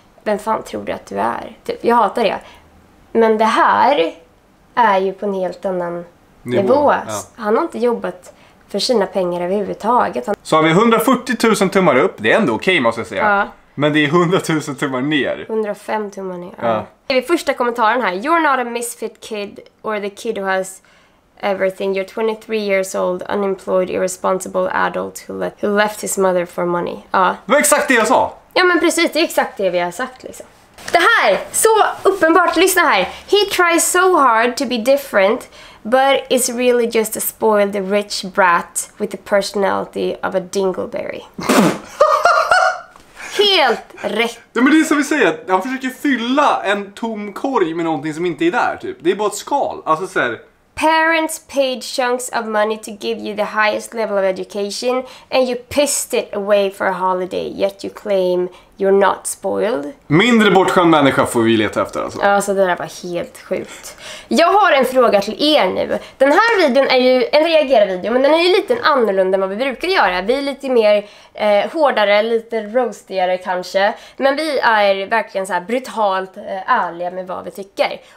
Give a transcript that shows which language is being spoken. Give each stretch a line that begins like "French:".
Swedish: Vem fan tror du att du är? Typ, jag hatar det. Men det här är ju på en helt annan nivå. Ja. Han har inte jobbat för sina pengar överhuvudtaget. Han... Så har vi 140 000 tummar upp, det är ändå okej, måste jag säga. Ja. Men det är 100 000 tummar ner. 105 tummar ner. Ja. Det är första kommentaren här.
English: You're not a misfit kid or the kid who has everything. You're 23 years old, unemployed, irresponsible adult who left his mother for money.
Swedish: Ja. Det var exakt det jag sa. Ja, men precis. Det är exakt det vi har sagt, liksom. Det här, så uppenbart. Lyssna här.
English: He tries so hard to be different, but is really just a spoiled rich brat with the personality of a dingleberry.
Swedish: Helt rätt. Ja, men det är som vi säger, han försöker fylla en tom korg med någonting som inte är där, typ. Det är bara ett skal. Alltså så här.
English: Parents paid chunks of money to give you the highest level of education and you pissed it away for a holiday, yet you claim you're not spoiled.
Swedish: Mindre bortskämd människa får vi leta efter, alltså. Alltså det där var helt sjukt. Jag har en fråga till er nu. Den här videon är ju en reagera-video, men den är ju lite annorlunda än vad vi brukar göra. Vi är lite mer hårdare, lite roastigare kanske, men vi är verkligen så här brutalt ärliga med vad vi tycker.